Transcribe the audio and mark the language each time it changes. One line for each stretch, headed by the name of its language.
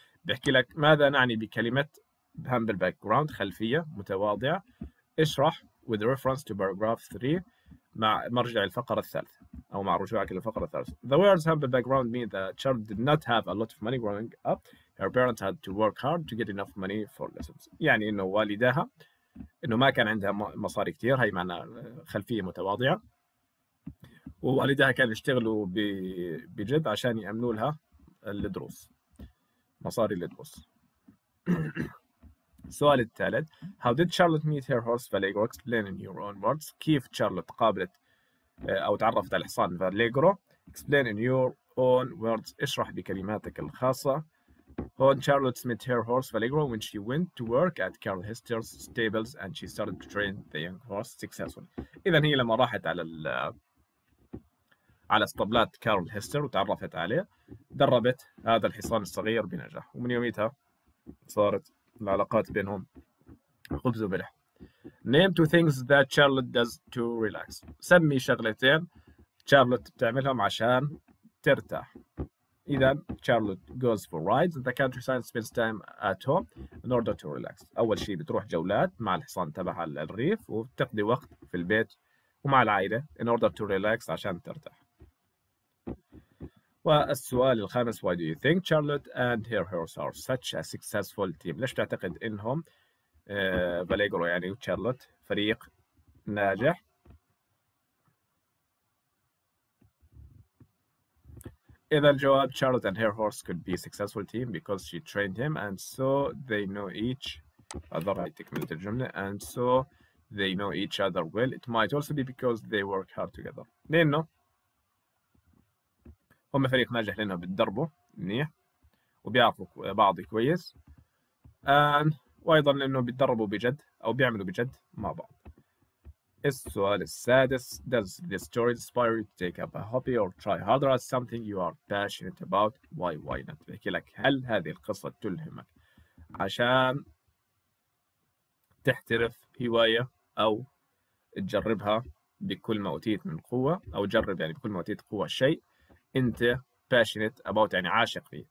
Arabic: بحكي لك ماذا نعني بكلمة
English: humble background،
Arabic: خلفية متواضعة. اشرح
English: with a reference to paragraph 3
Arabic: مع مرجع الفقرة الثالثة، أو مع رجوعك للفقرة الثالثة.
English: The words humble background mean that the child did not have a lot of money growing up. Her parents had to work hard to get enough money for lessons.
Arabic: يعني إنه والدها إنه ما كان عندها مصاري كتير، هاي معنى خلفية متواضعة. ووالدها كان يشتغلوا بجد عشان يأمنوا لها الدروس، مصاري الدروس. السؤال الثالث.
English: How did Charlotte meet her horse Vallegro? Explain in your own words.
Arabic: كيف Charlotte قابلت أو تعرفت على حصان Vallegro؟
English: Explain in your own words.
Arabic: اشرح بكلماتك الخاصة.
English: When Charlotte met her horse Vallegro when she went to work at Carol Hester's stables and she started to train the young horse successfully.
Arabic: إذن هي لما راحت على اسطبلات كارول هستر وتعرفت عليه، دربت هذا الحصان الصغير بنجاح، ومن يوميتها صارت العلاقات بينهم خبز وملح.
English: Name two things that Charlotte does to relax.
Arabic: سمي شغلتين Charlotte بتعملهم عشان ترتاح.
English: إذا Charlotte goes for rides in the countryside, spends time at home in order to relax.
Arabic: أول شيء بتروح جولات مع الحصان تبعها للريف وتقضي وقت في البيت ومع العائلة
English: in order to relax
Arabic: عشان ترتاح. والسؤال الخامس.
English: Why do you think Charlotte and her horse are such a successful team?
Arabic: ليش تعتقد إنهم Vallegro يعني Charlotte فريق ناجح؟ إذا الجواب
English: Charlotte and her horse could be a successful team because she trained him and so they know each other.
Arabic: تكمل الجملة.
English: And so they know each other well. It might also be because they work hard together.
Arabic: لأنه هم فريق ناجح لأنه بتدربوا منيح وبيعرفوا بعض كويس. And وأيضا لأنه بتدربوا بجد أو بيعملوا بجد مع بعض. السؤال السادس.
English: Does the story inspire you to take up a hobby or try harder at something you are passionate about? Why not?
Arabic: بحكي لك هل هذه القصة تلهمك عشان تحترف هواية أو تجربها بكل ما أوتيت من قوة، أو تجرب يعني بكل ما أوتيت قوة شيء أنت
English: passionate about
Arabic: يعني عاشق فيه.